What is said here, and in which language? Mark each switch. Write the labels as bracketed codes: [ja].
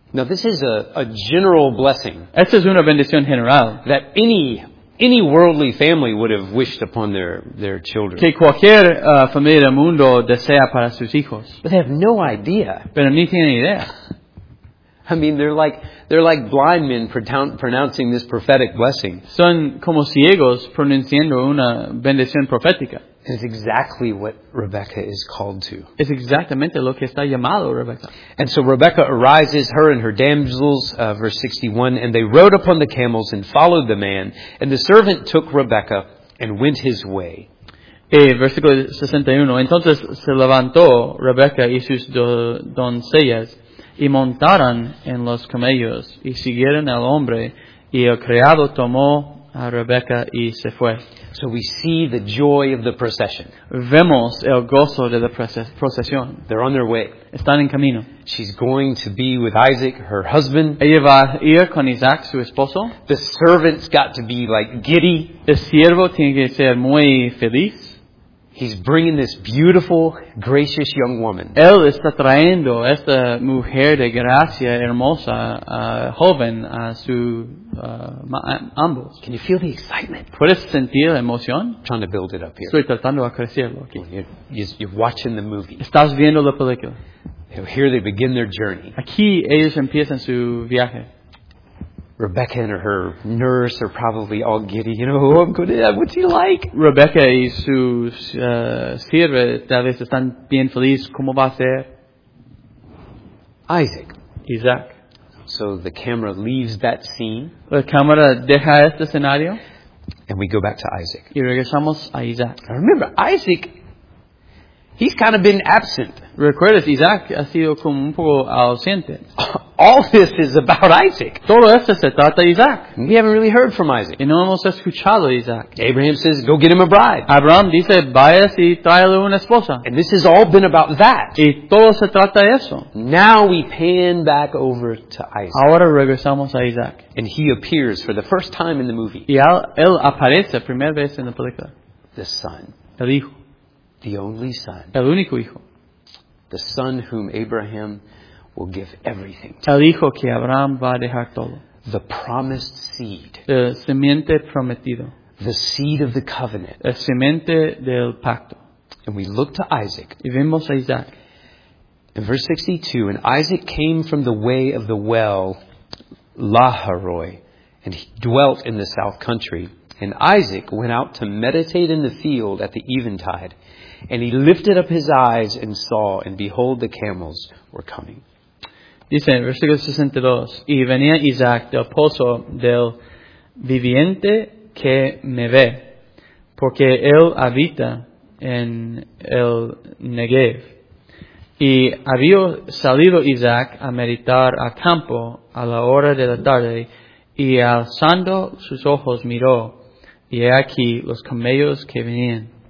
[en] Now this is a general blessing. [es] Esta es una bendición general. [en] That any worldly family would have wished upon their children. [es] Que cualquier familia del mundo desea para sus hijos. [en] But they have no idea. [es] Pero ni tienen idea. [en] I mean, they're like blind men pronouncing this prophetic blessing. [es] Son como ciegos pronunciando una bendición profética. [en] It's exactly what Rebecca is called to. [es] Es exactamente lo que está llamado Rebecca. [en] And so Rebecca arises, her and her damsels, verse 61, and they rode upon the camels and followed the man, and the servant took Rebecca and went his way. [es] Versículo 61. Entonces se levantó Rebeca y sus doncellas y montaron en los camellos y siguieron al hombre y el criado tomó a Rebeca y se fue. [en] So we see the joy of the procession. [es] Vemos el gozo de la procesión. [en] They're on their way. [es] Están en camino. [en] She's going to be with Isaac, her husband. [es] Ella va a ir con Isaac, su esposo. [en] The servant's got to be like giddy. [es] El siervo tiene que ser muy feliz. [en] He's bringing this beautiful, gracious young woman. [es] Él está trayendo esta mujer de gracia hermosa, joven, a su ambos. [en] Can you feel the excitement? [es] ¿Puedes sentir la emoción? [en] Trying to build it up here. [es] Estoy tratando a crecerlo aquí. [en] You're watching the movie. [es] Estás viendo la película. [en] Here they begin their journey. [es] Aquí ellos empiezan su viaje. [en] Rebecca and her nurse are probably all giddy. You know, oh, I'm good at that. What's he like? [es] Rebecca y sus sirves tal vez están bien felices. ¿Cómo va a ser? Isaac. [en] So the camera leaves that scene. [es] La cámara deja este escenario. [en] And we go back to Isaac. [es] Y regresamos a Isaac. [en] I remember, Isaac, he's kind of been absent. [es] ¿Recuerdas? Isaac ha sido como un poco ausente. [en] All this is about Isaac. [es] Todo esto se trata de Isaac. [en] We haven't really heard from Isaac. [es] Y no hemos escuchado de Isaac. [en] Abraham says, go get him a bride. [es] Abraham dice, vayas y tráele una esposa. [en] And this has all been about that. [es] Y todo se trata de eso. [en] Now we pan back over to Isaac. [es] Ahora regresamos a Isaac. [en] And he appears for the first time in the movie. [es] Y él aparece primera vez en la película. [en] The son. [es] El hijo. [en] The only son. [es] El único hijo. [en] The son whom Abraham will give everything to. [es] El hijo que Abraham va a dejar todo. [en] The promised seed. [es] El semiente prometido. [en] The seed of the covenant. [es] El semiente del pacto. [en] And we look to Isaac. [es] Y vemos a Isaac. [en] In verse 62, and Isaac came from the way of the well, Laharoi, and he dwelt in the south country. And Isaac went out to meditate in the field at the eventide. And he lifted up his eyes and saw, and behold, the camels were coming. [es] Dice en versículo 62, y venía Isaac del pozo del viviente que me ve, porque él habita en el Negev. Y había salido Isaac a meditar a campo a la hora de la tarde, y alzando sus ojos miró, y he aquí los camellos que venían.